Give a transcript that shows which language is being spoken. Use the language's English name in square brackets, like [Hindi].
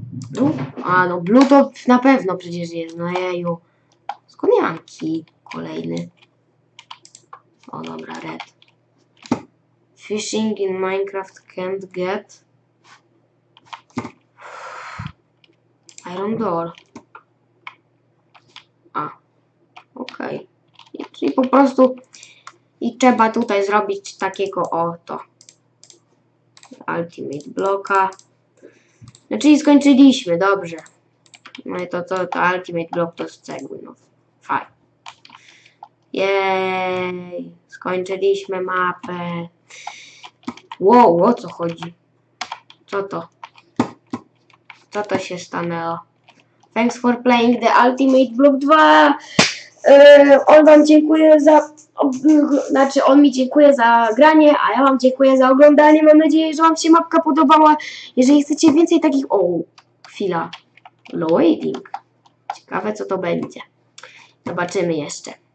[Polish] Blue? A no blue to na pewno przecież jest. No jeju. Skąd nie mam key kolejny? O dobra, red. [English] Fishing in Minecraft can't get... Iron door. Okej. Okay. [Polish] Czyli po prostu i trzeba tutaj zrobić takiego oto ultimate bloka. Znaczy skończyliśmy, dobrze. No i to ultimate block to z cegły, no. Fajnie. Jej. Skończyliśmy mapę. Wow, o co chodzi? Co to? Co to się stanęło? [English] Thanks for playing the ultimate block 2. [Polish] On wam dziękuję za, znaczy on mi dziękuję za granie, a ja wam dziękuję za oglądanie. Mam nadzieję, że wam się mapka podobała. Jeżeli chcecie więcej takich, o, chwila, loading. Ciekawe, co to będzie. Zobaczymy jeszcze.